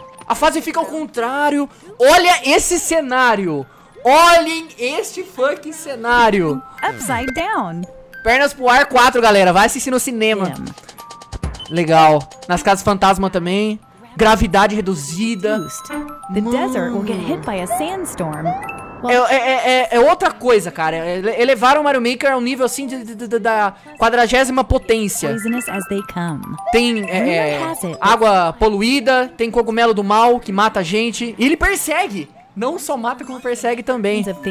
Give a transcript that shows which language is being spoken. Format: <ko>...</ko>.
<pt>A fase fica ao contrário. Olha esse cenário. Olhem este fucking cenário.</pt> <en>Upside down.</en> <pt>Pernas pro ar 4, galera. Vai assistir no cinema. Legal. Nas casas fantasma também. Gravidade reduzida.</pt> <en>The desert will get hit by a sandstorm.</en> <pt>É outra coisa, cara. Elevaram o Mario Maker a um nível assim da 40ª potência. Tem água poluída, tem cogumelo do mal que mata a gente. E ele persegue! Não só mata, como persegue também.</pt>